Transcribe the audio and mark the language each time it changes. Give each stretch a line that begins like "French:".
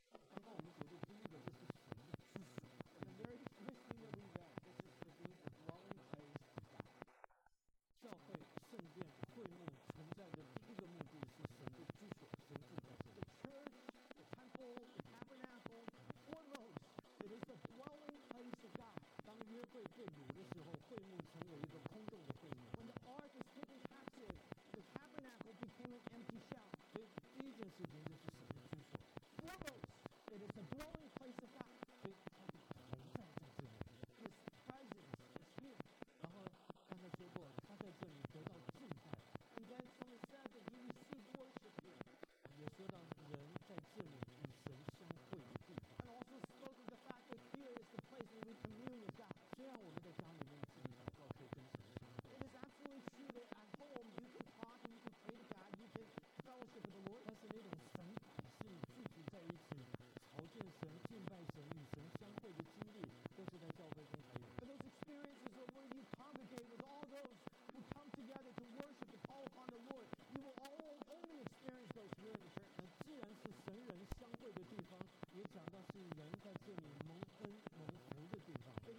Chinese: 刚刚我们所说的第一个就是什么？是什么
English: ？The very first thing that we read, this is the being a dwelling place of God.
Chinese: 教会、圣殿、会幕存在的第一个目的是神的居所，神住在这里。约柜被掳的时候，会幕成为一个空洞的会幕。
English: When the ark is taken captive, the tabernacle became an empty shell.
Chinese: 所以第一件事情就是神的居所。
English: Dwells, it is a dwelling place of God.
Chinese: 所以他的同在在这里。
English: His presence is here.
Chinese: 然后刚才说过，他在这里得到敬拜。
English: And then someone said that he received worship here.
Chinese: 也说到人在这里与神相会的地方。
English: And also spoke of the fact that here is the place where we commune.
Chinese: 虽然我们在家里面自己祷告可以跟神相会
English: ，It is absolutely true that at home you can talk, you can pray to God, you can fellowship with the Lord.
Chinese: 但是那种神体是聚集在一起，朝见神、敬拜神、与神相会的经历，都是在教会中才有。
English: But those experiences of where you congregate with all those who come together to worship and call upon the Lord, you will only experience those here in the church.
Chinese: 那既然是神人相会的地方，也讲到是人在这里蒙恩蒙福的地方。